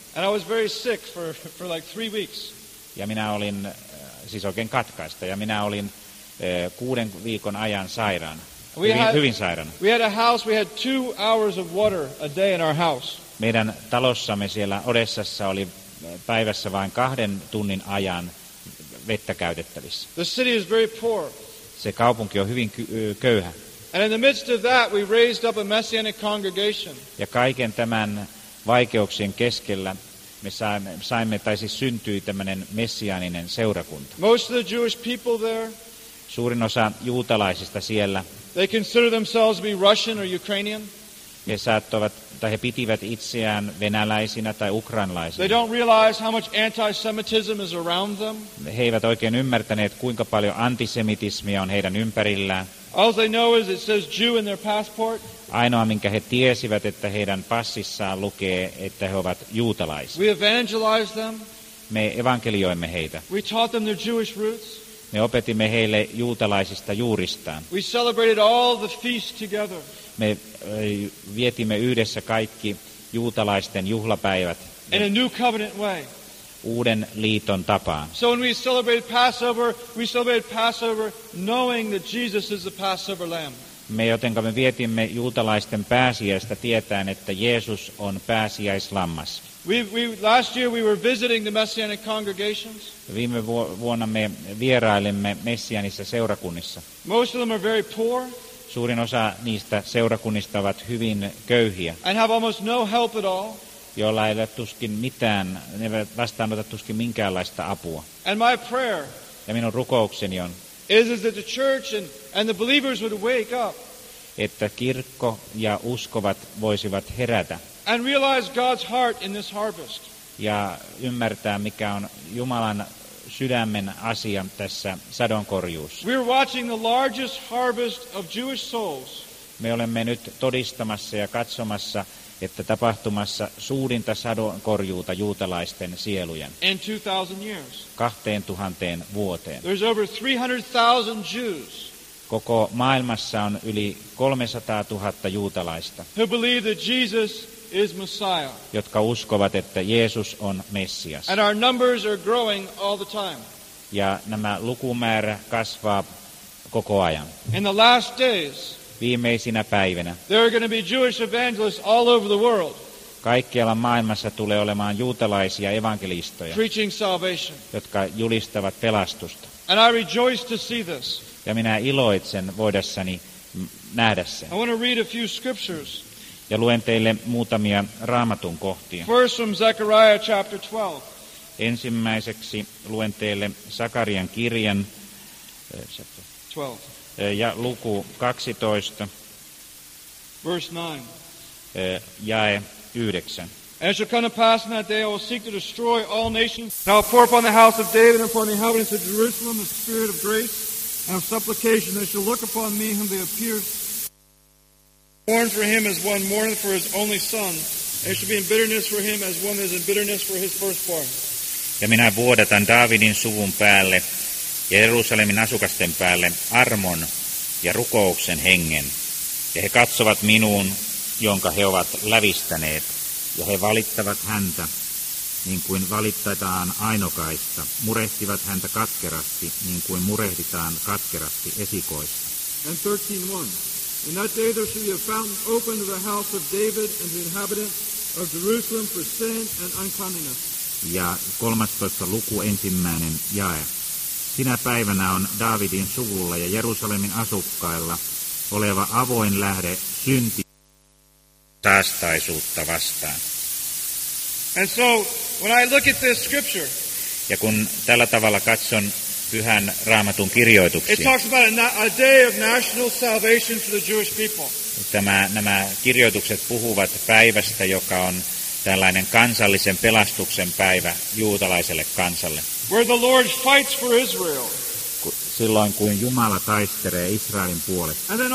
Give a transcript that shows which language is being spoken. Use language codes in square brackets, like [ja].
[en] And I was very sick for like 3 weeks. [fi] Ja minä olin siis oikein katkaista ja minä olin 6 viikon ajan sairaana. Hyvin sairaana. [en] We had a house, we had 2 hours of water a day in our house. [fi] Meidän talossamme siellä Odessassa oli päivässä vain 2 tunnin ajan vettä käytettävissä. [en] The city is very poor. [fi] Se kaupunki on hyvin köyhä. [en] And in the midst of that we raised up a messianic congregation. [fi] Ja kaiken tämän vaikeuksien keskellä me saimme tai siis syntyi tämmöinen messiaaninen seurakunta. [en] Most of the Jewish people there. [fi] Suurin osa juutalaisista siellä. [en] They consider themselves to be Russian or Ukrainian. [fi] He saattoivat tai he pitivät itseään venäläisinä tai ukrainalaisina. [en] They don't realize how much anti-Semitism is around them. [fi] He eivät oikein ymmärtäneet kuinka paljon antisemitismia on heidän ympärillään. [en] All they know is it says Jew in their passport. [fi] Ainoa minkä he tiesivät, että heidän passissaan lukee, että he ovat juutalaisia. [en] We evangelized them. [fi] Me evankelioimme heitä. [en] We taught them their Jewish roots. [fi] Me opetimme heille juutalaisista juuristaan. [en] We celebrated all the feasts together. [fi] Me vietimme yhdessä kaikki juutalaisten juhlapäivät. [en] In a new covenant way. [fi] Uuden liiton tapaan. [en] So when we celebrated Passover knowing that Jesus is the Passover lamb. [fi] Me jotenka me vietimme juutalaisten pääsiäistä tietäen, että Jeesus on pääsiäislammas. [en] Last year we were visiting the messianic congregations. [fi] Viime vuonna me vierailimme messianissa seurakunnissa. [en] Most of them are very poor. [fi] Suurin osa niistä seurakunnista ovat hyvin köyhiä. [en] And have almost no help at all. [fi] Joilla ei ole tuskin mitään, ne eivät vastaanota tuskin minkäänlaista apua. [en] And my prayer. [fi] Ja minun rukoukseni on. [en] Is that the church and the believers would wake up. [fi] Että kirkko ja uskovat voisivat herätä. [en] And realize God's heart in this harvest. [fi] Ja ymmärtää mikä on Jumalan sydämen asia tässä sadonkorjuussa. [en] We're watching the largest harvest of Jewish souls. [fi] Me olemme nyt todistamassa ja katsomassa, että tapahtumassa suurinta sadonkorjuuta juutalaisten sielujen. [en] In 2000 years. [fi] 2000 vuoteen. [en] There's over 300,000 Jews. [fi] Koko maailmassa on yli 300 000 juutalaista. [en] Who believe that Jesus is Messiah. [fi] Jotka uskovat, että Jeesus on Messias. [en] And our numbers are growing all the time. [fi] Ja nämä lukumäärä kasvaa koko ajan. [en] In the last days. [fi] Viimeisinä päivinä. [en] There are going to be Jewish evangelists all over the world. [fi] Kaikkialla maailmassa tulee olemaan juutalaisia evankelistoja. [en] Preaching salvation. [fi] Jotka julistavat pelastusta. [en] And I rejoice to see this. [fi] Ja minä iloitsen voidessani nähdä sen. [en] I want to read a few scriptures. [fi] Ja luen teille muutamia Raamatun kohtia. [en] First from Zechariah chapter 12. [fi] Ensimmäiseksi luen teille Sakarian kirjan 12. Ja luku 12. [en] Verse 9. [fi] Jae 9. [en] And it shall come to pass in that day I will seek to destroy all nations. And I will pour upon the house of David and upon the inhabitants of Jerusalem the spirit of grace and of supplication. They shall look upon me whom they have pierced. Mourn for him as one mourneth for his only son. And it shall be in bitterness for him as one that is in bitterness for his firstborn. [fi] Ja minä vuodatan Daavidin suvun päälle ja Jerusalemin asukasten päälle armon ja rukouksen hengen. Ja he katsovat minuun, jonka he ovat lävistäneet. Ja he valittavat häntä, niin kuin valittetaan ainokaista, murehtivat häntä katkerasti, niin kuin murehditaan katkerasti esikoista. [en] And 13:1. In that day there shall be a fountain open to the house of David and the inhabitants of Jerusalem for sin and uncleanness. [fi] Ja 13. luku, ensimmäinen jae. Sinä päivänä on Daavidin suvulla ja Jerusalemin asukkailla oleva avoin lähde synti saastaisuutta vastaan. [en] And so, when I look at this scripture, [fi] ja kun tällä tavalla katson pyhän Raamatun kirjoituksia, [en] it talks about a day of national salvation for the Jewish people. [fi] Nämä kirjoitukset puhuvat päivästä, joka on tällainen kansallisen pelastuksen päivä juutalaiselle kansalle. [en] Where the Lord fights for Israel. [fi] Silloin kun Jumala taistelee Israelin puolesta.